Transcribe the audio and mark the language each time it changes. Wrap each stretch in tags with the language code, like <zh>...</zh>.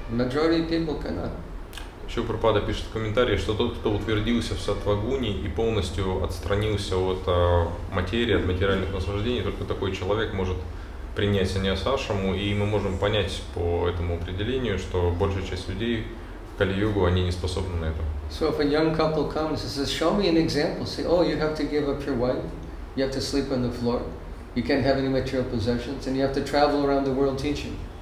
<en>Majority of people cannot.</en> <ru>Шрила Прабхупада пишет в комментарии, что тот, кто утвердился в саттва-гуне и полностью отстранился от материи, от материальных наслаждений, только такой человек может принять саньясашраму, и мы можем понять по этому определению, что большая часть людей в Кали-югу они не способны на это.</ru> <en>So if a young couple comes and says, show me an example, say, oh, you have to give up your wife, you have to sleep on the floor, you can't have any material possessions, and you have to travel around the world teaching.</en>